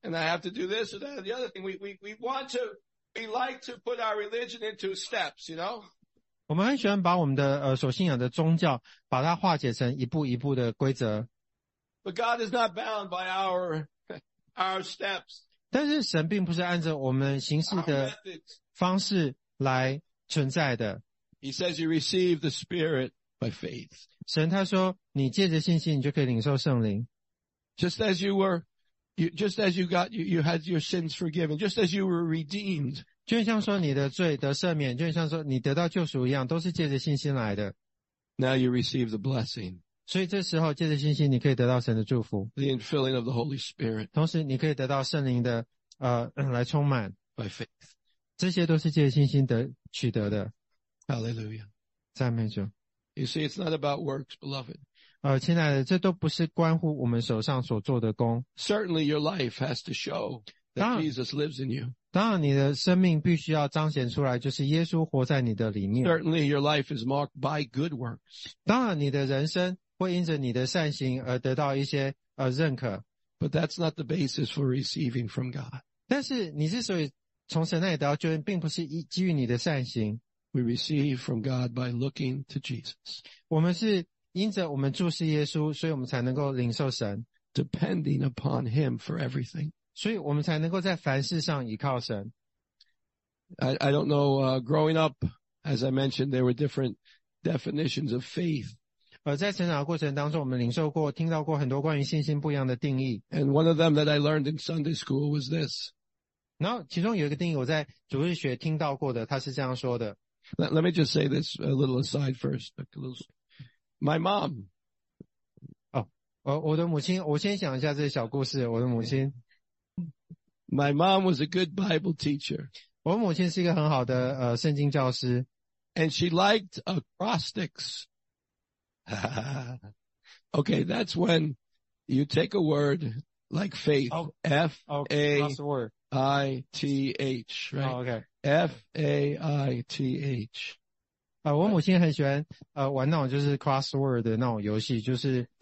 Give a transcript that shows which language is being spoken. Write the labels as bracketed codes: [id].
[en] ?And I have to do this or that. The other thing, we like to put our religion into steps, you know? [zh] 我们很喜欢把我们的所信仰的宗教把它化解成一步一步的规则。 [en] But God is not bound by our steps. [zh] 但是神并不是按照我们行事的方式来存在的。 [en] He says you receive the Spirit by faith. [zh] 神他说你借着信心你就可以领受圣灵。 [en] Just as you were, just as you got, you had your sins forgiven, just as you were redeemed. [zh] 就像说你的罪得赦免，就像说你得到救赎一样，都是借着信心来的。 [en] Now you receive the blessing. [zh] 所以这时候借着信心，你可以得到神的祝福。 [en] The infilling of the Holy Spirit. [zh] 同时，你可以得到圣灵的来充满。 [en] By faith. [zh] 这些都是借着信心得取得的。 [en] Hallelujah. [zh] 赞美主。 [en] You see, it's not about works, beloved. [zh] 亲爱的，这都不是关乎我们手上所做的工。 [en] Certainly, your life has to show that Jesus lives in you. [zh] 当然你的生命必须要彰显出来就是耶稣活在你的里面。 [en] Certainly your life is marked by good works. [zh] 当然你的人生会因着你的善行而得到一些认可。 [en] But that's not the basis for receiving from God. [zh] 但是你之所以从神那里得到救恩并不是基于你的善行。 [en] We receive from God by looking to Jesus. [zh] 我们是因着我们注视耶稣所以我们才能够领受神。 [en] Depending upon Him for everything. [zh] 所以我们才能够在凡事上依靠神。 [en] I don't know, growing up, as I mentioned, there were different definitions of faith. [zh] 在成长的过程当中我们领受过听到过很多关于信心不一样的定义。 [en] And one of them that I learned in Sunday school was this. [zh] 然后其中有一个定义我在主日学听到过的它是这样说的。 [en] Let me just say this a little aside first. My mom. [zh] Oh, 我的母亲, 我先想一下这个小故事, 我的母亲, [en] my mom was a good Bible teacher. [zh] 我母亲是一个很好的, 圣经教师, [en] and she liked acrostics. Okay, that's when you take a word like faith. Oh, F-A-I-T-H, right? Oh, okay. F-A-I-T-H. [zh] 我母亲很喜欢, 玩那种就是 crossword 的那种游戏, 就是,